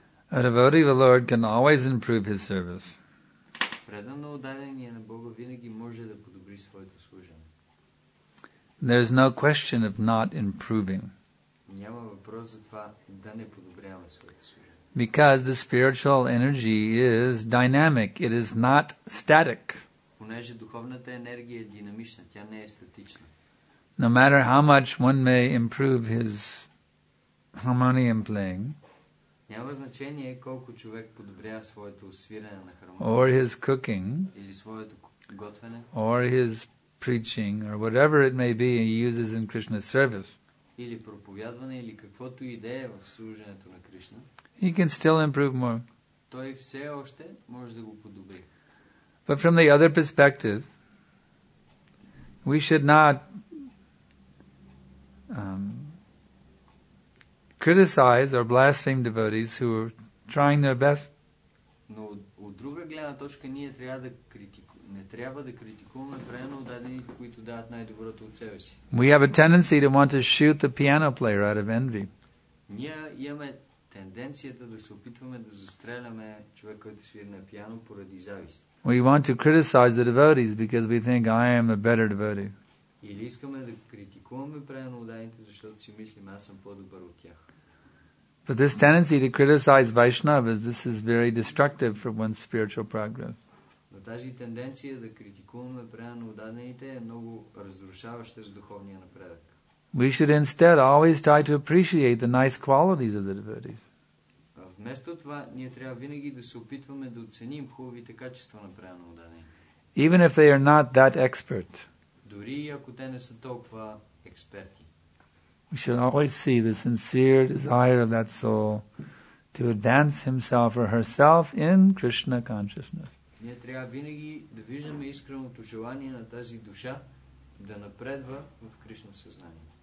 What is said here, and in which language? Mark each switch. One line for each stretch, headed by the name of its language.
English: A devotee of the Lord can always improve his service.
Bulgarian: Предано отдадение на Бога винаги може да подобри своето служение.
English: There is no question of not improving.
Bulgarian: Няма въпрос за това да не подобряваме своето служение.
English: Because the spiritual energy is dynamic, it is not static.
Bulgarian: Понеже духовната енергия е динамична, тя не е статична.
English: No matter how much one may improve his harmonium playing,
Bulgarian: няма значение колко човек подобрява своето свирене на хармония,
English: or his cooking,
Bulgarian: или своето готвене,
English: or his preaching, or whatever it may be he uses in Krishna's service,
Bulgarian: или проповядване, или каквото и да е в служението на Кришна,
English: he can still improve more.
Bulgarian: Той все още може да го подобри.
English: But from the other perspective, we should not criticize or blaspheme devotees who are trying their best.
Bulgarian: Но от друга гледна точка ние трябва да не трябва да критикуваме прено дадените, които дават най-доброто от себе си.
English: We have a tendency to want to shoot the piano player out of envy.
Bulgarian: Ние имаме тенденцията да се опитваме да застреляме човек, който свири на пиано поради завист.
English: We want to criticize the devotees because we think I am a better devotee.
Bulgarian: Или искаме да критикуваме прено дадените, защото си мислим аз съм по-добър от тях.
English: But this tendency to criticize Vaishnavas, this is very destructive for one's spiritual progress.
Bulgarian: Но тази тенденция да критикуваме прено дадените е много разрушаваща за духовния напредък.
English: We should instead always try to appreciate the nice qualities of the devotees.
Bulgarian: Вместо това, ние трябва винаги да се опитваме да оценим хубавите качества на прено дадените.
English: Even if they are not that expert.
Bulgarian: Дори ако те не са толкова експерти.
English: We should always see the sincere desire of that soul to advance himself or herself in Krishna consciousness.
Bulgarian: Ние трябва винаги да виждаме искреното желание на тази душа да напредва в Кришна съзнание.